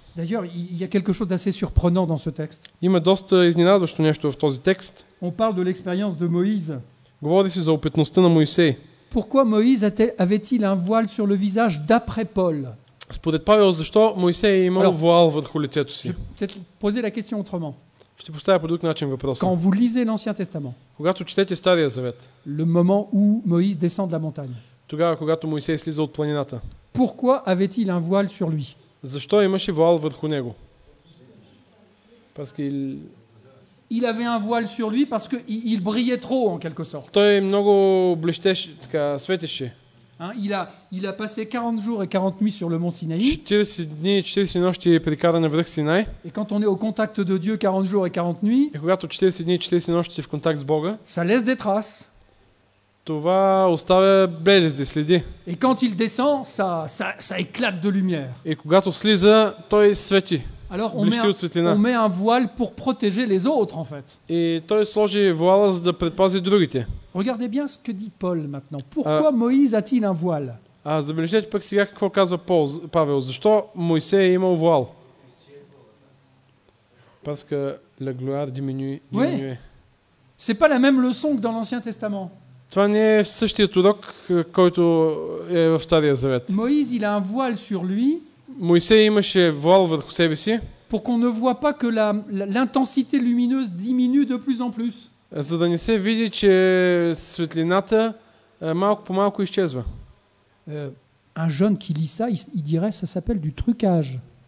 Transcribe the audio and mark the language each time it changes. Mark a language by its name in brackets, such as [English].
[French] D'ailleurs, il y a quelque chose d'assez surprenant dans ce texte. [Bulgarian] Има доста изненадващо нещо в този текст. [French] On parle de l'expérience de Moïse. [Bulgarian] Говори се за опитността на Моисей. [French] Pourquoi Moïse avait-il un voile sur le visage d'après Paul? [Bulgarian] Според Павел, защо Моисей е имал воал върху лицето си? [French] Peut-être poser la question autrement. [Bulgarian] Ще поставя по друг начин въпроса. [French] Quand vous lisez l'Ancien Testament. [Bulgarian] Когато четете Стария Завет. [French] Le moment où Moïse descend de la montagne. [Bulgarian] Тогава, когато Моисей слиза от планината. [French] Pourquoi avait-il un voile sur lui? [Bulgarian] Защо имаше воал върху него? [French] Il avait un voile sur lui parce que il brillait trop en quelque sorte. [Bulgarian] Той много блестеше, така светеше. [French] Hein, il a passé 40 jours et 40 nuits sur le mont Sinaï. [Bulgarian] 40 дни и 40 нощи прекара на връх Синай. [French] Et quand on est au contact de Dieu 40 jours et 40 nuits? Et [Bulgarian] когато 40 дни и 40 нощи си в контакт с Бога? [French] Ça laisse des traces. [Bulgarian] Това оставя белези следи. [French] Et quand il descend, ça éclate de lumière. Et [Bulgarian] когато слиза, той свети. [French] Alors on met un voile pour protéger les autres en fait. Et [Bulgarian] той сложи воала, за да предпази другите. [French] Regardez bien ce que dit Paul maintenant. Pourquoi Moïse a-t-il un voile? [Bulgarian] Забележете пък сега какво казва Павел. Защо Моисей е имал воал? [French] Parce que la gloire diminue. Oui. C'est pas la même leçon que dans l'Ancien Testament. [Bulgarian] Това не е същият урок, който е в Стария Завет. [French] Моисей, il a un voile sur lui. [Bulgarian] Моисей имаше воал върху себе си. [French] Pour qu'on ne voit pas que l'intensité lumineuse diminue de plus en plus. [Bulgarian] За да не се види, че светлината малко по малко изчезва. [French] Un jeune qui lit ça, il dirait ça s'appelle du trucage.